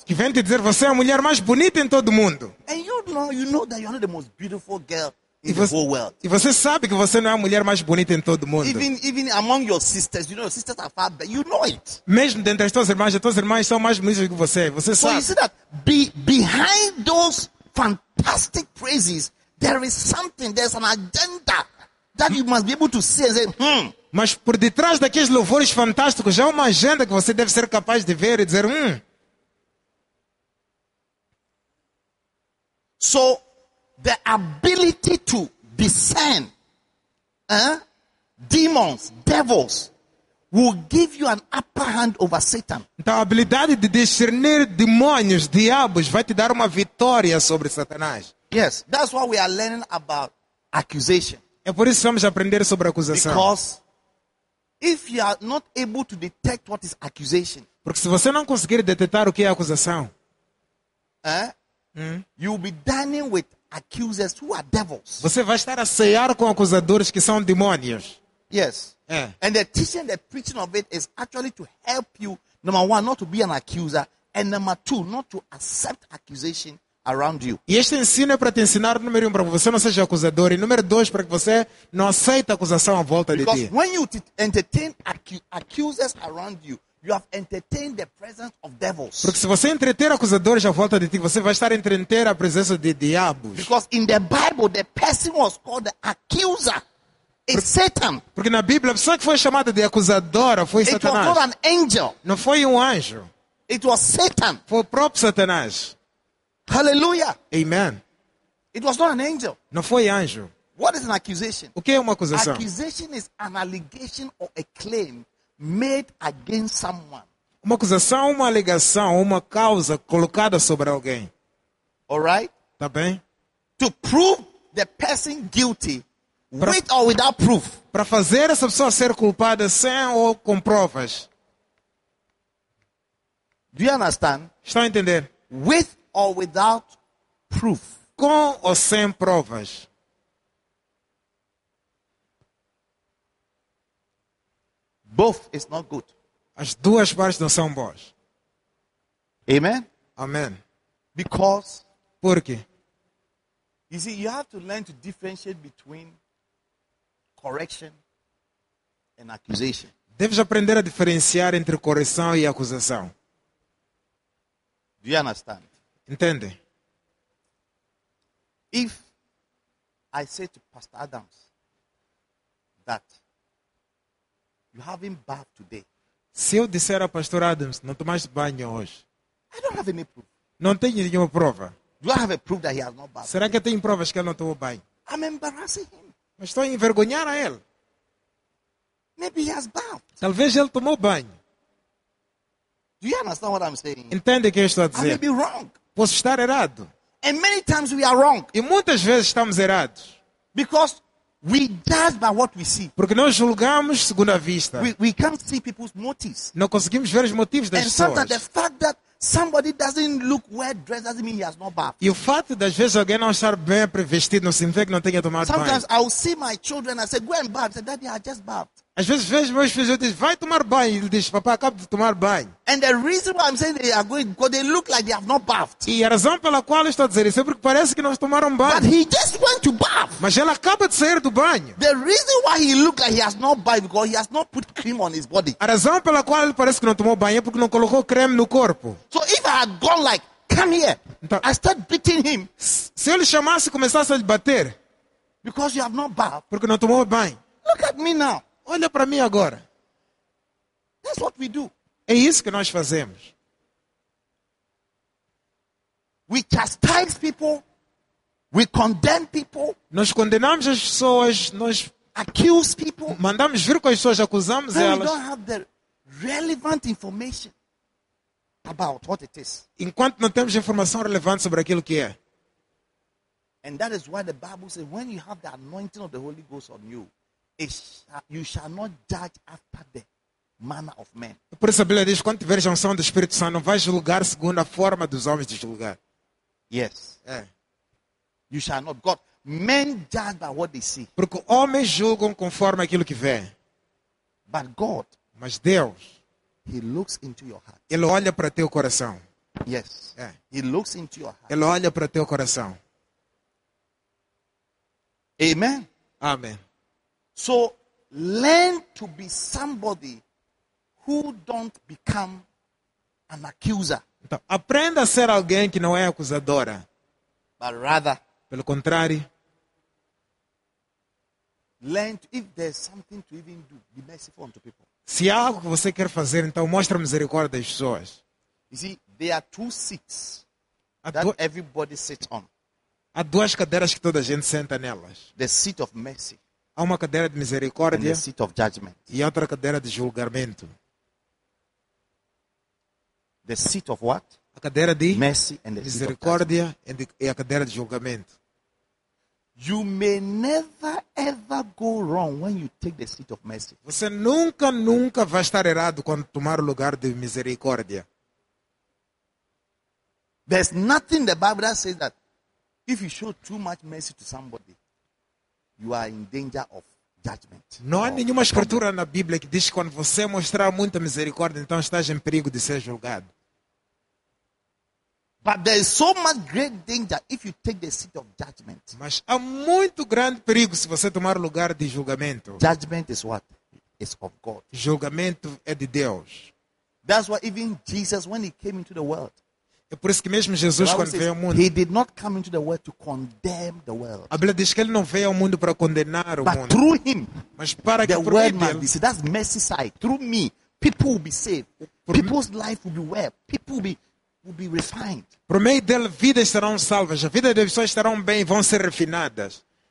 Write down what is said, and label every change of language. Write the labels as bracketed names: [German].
[Portuguese] Que vem te dizer, você é a mulher mais bonita em todo mundo. [English] And you know that you are not the most beautiful girl. [Portuguese] E você sabe que você não é a mulher mais bonita em todo mundo. [English] Even among your sisters, you know, sisters are far better. You know it. [Portuguese] Mesmo dentre as tuas irmãs são mais bonitas que você. Você sabe. [English] So you see that behind those fantastic praises, there is something, there's an agenda that you must be able to see and say, [Portuguese] Mas por detrás daqueles louvores fantásticos, há uma agenda que você deve ser capaz de ver e dizer, [English] So, the ability to discern demons, devils, will give you an upper hand over Satan. [Portuguese] Então, a habilidade de discernir demônios, diabos, vai te dar uma vitória sobre Satanás. [English] Yes, that's why we are learning about accusation. [Portuguese] É por isso que vamos aprender sobre acusação. [English] Because if you are not able to detect what is accusation, [Portuguese] porque se você não conseguir detectar o que é acusação, [English] you will be dining with accusers who are devils. [Portuguese] Você vai estar a ceiar com acusadores que são demônios. [English] Yes. [Portuguese] É. [English] And the teaching, the preaching of it is actually to help you, number one, not to be an accuser, and number two, not to accept accusation around you. [Portuguese] E este ensino é para te ensinar, número um, para que você não seja acusador, e número dois, para que você não aceite acusação à volta [English] Because [Portuguese] de ti. [English] Because when you entertain accusers around you, you have entertained the presence of devils. [Portuguese] Porque se você entreter acusadores à volta de ti, você vai estar entretendo a presença de diabos. [English] Because in the Bible, the person was called the accuser. It's Satan. [Portuguese] Porque na Bíblia, a pessoa que foi chamada de acusadora foi [English] It [Portuguese] Satanás. [English] It was not an angel. [Portuguese] Não foi anjo. [English] It was Satan. [Portuguese] Foi o próprio Satanás. [English] Hallelujah. Amen. It was not an angel. [Portuguese] Não foi anjo. [English] What is an accusation? [Portuguese] O que é uma acusação? [English] Accusation is an allegation or a claim made against someone. [Portuguese] Uma acusação, uma alegação, uma causa colocada sobre alguém. [English] All right? [Portuguese] Tá bem? [English] To prove the person guilty, with or without proof. [Portuguese] Para fazer essa pessoa ser culpada sem ou com provas. [English] Do you understand? [Portuguese] Estão a entender? [English] With or without proof. [Portuguese] Com ou sem provas. [English] Both is not good. [Portuguese] As duas partes não são boas. [English] Amen. [Portuguese] Amen. [English] Because. [Portuguese] Porque. [English] You see, you have to learn to differentiate between correction and accusation. [Portuguese] Deves aprender a diferenciar entre correção e acusação. [English] Do you understand? [Portuguese] Entende? [English] If I say to Pastor Adams that you haven't bathed today. [Portuguese] Se eu disser ao pastor Adams, não tomaste banho hoje. [English] I don't have any proof. [Portuguese] Não tenho nenhuma prova. [English] Do I have a proof that he has not bathed? [Portuguese] Será que eu tenho provas que ele não tomou banho? [English] I'm embarrassing him. [Portuguese] Mas estou a envergonhar a ele. [English] Maybe he has bathed. [Portuguese] Talvez ele tomou banho. [English] Do you understand what I'm saying? [Portuguese] Entende o que eu estou a dizer? [English] I may be wrong. [Portuguese] Posso estar errado. [English] And many times we are wrong. [Portuguese] E muitas vezes estamos errados. [English] Because we judge by what we see. [Portuguese] Porque nós julgamos segundo a vista. [English] We can't see people's motives. [Portuguese] Não conseguimos ver os motivos das [English] and [Portuguese] pessoas. [English] And sometimes the fact that somebody doesn't look well dressed doesn't mean he has not bathed. [Portuguese] E o fato das vezes alguém não estar bem vestido não significa que não tenha tomado [English] sometimes Sometimes I'll see my children and say, go and bath. I say, Daddy, I just bathed. [Portuguese] Às vezes vejo meus filhos e eu digo, vai tomar banho. Ele diz, papai, acabo de tomar banho. [English] And the reason why I'm saying they are going, because they look like they have not bathed. [Portuguese] E a razão pela qual eu estou a dizer isso é porque parece que não tomaram banho. [English] But he just went to bath. [Portuguese] Mas ele acaba de sair do banho. [English] The reason why he looks like he has not bathed, because he has not put cream on his body. [Portuguese] A razão pela qual ele parece que não tomou banho é porque não colocou creme no corpo. [English] So if I had gone like, come here, [Portuguese] então, [English] I start beating him. [Portuguese] Se ele chamasse e começasse a lhe bater. [English] Because you have not bathed. [Portuguese] Porque não tomou banho. [English] Look at me now. [Portuguese] Olha para mim agora. [English] That's what we do. [Portuguese] É isso que nós fazemos. [English] We chastise people. We condemn people. [Portuguese] Nós condenamos as pessoas. Nós [English] accuse people. [Portuguese] Mandamos vir com as pessoas, acusamos [English] when [Portuguese] elas. [English] We don't have the relevant information about what it is. [Portuguese] Enquanto não temos informação relevante sobre aquilo que é. [English] And that is why the Bible says, when you have the anointing of the Holy Ghost on you, you shall not judge after the manner of men. [Portuguese] Por isso a Bíblia diz, quando tiveres a unção do Espírito Santo, não vais julgar segundo a forma dos homens de julgar. [English] Yes. [Portuguese] É. [English] You shall not. God, men judge by what they see. [Portuguese] Porque homens julgam conforme aquilo que vê. [English] But God, [Portuguese] mas Deus, [English] he looks into your heart. [Portuguese] Ele olha para teu coração. [English] Yes. [Portuguese] É. [English] He looks into your heart. [Portuguese] Ele olha para teu coração. [English] Amen. [Portuguese] Amém. [English] So learn to be somebody who don't become an accuser. [Portuguese] Então, aprenda a ser alguém que não é acusadora. [English] But rather, [Portuguese] pelo contrário, [English] learn to, if there's something to even do, be merciful unto people. [Portuguese] Se há algo que você quer fazer, então mostre misericórdia às pessoas. [English] You see, there are two seats that everybody sits on. [Portuguese] Há duas cadeiras que toda a gente senta nelas. [English] The seat of mercy. [Portuguese] Há uma cadeira de misericórdia [English] and the seat of judgment. [Portuguese] E outra cadeira de julgamento. [English] The seat of what? [Portuguese] A cadeira de [English] mercy and the [Portuguese] misericórdia [English] seat of [Portuguese] e a cadeira de julgamento. [English] You may never ever go wrong when you take the seat of mercy. [Portuguese] Você nunca, nunca vai estar errado quando tomar o lugar de misericórdia. [English] There's nothing the Bible that says that if you show too much mercy to somebody, you are in danger of judgment. [Portuguese] Não há nenhuma escritura na Bíblia que diz que quando você mostrar muita misericórdia, então estás em perigo de ser julgado. [English] But there is so much great danger if you take the seat of judgment. [Portuguese] Mas há muito grande perigo se você tomar o lugar de julgamento. [English] Judgment is what? It's of God. [Portuguese] Julgamento é de Deus. [English] That's why even Jesus, when he came into the world, [Portuguese] é por isso que mesmo Jesus, quando veio ao mundo, [English] he did not come into the world to condemn the world. [Portuguese] A Bíblia diz que ele não veio ao mundo para condenar o [English] but [Portuguese] mundo. [English] Through him, [Portuguese] mas para [English] the [Portuguese] que [English] word might be saved. That's mercy side. Through me, people will be saved. People's life will be well. People will be refined. [Portuguese] Por meio dele, vidas serão salvas. A vida das pessoas estarão bem e vão ser refinadas.